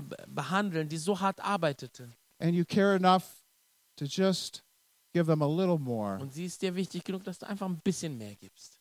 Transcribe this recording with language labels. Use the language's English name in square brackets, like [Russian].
[German] behandeln, die so hart arbeitete? [English] And you care enough to just give them a little more. [German] Und sie ist dir wichtig genug, dass du einfach ein bisschen mehr gibst.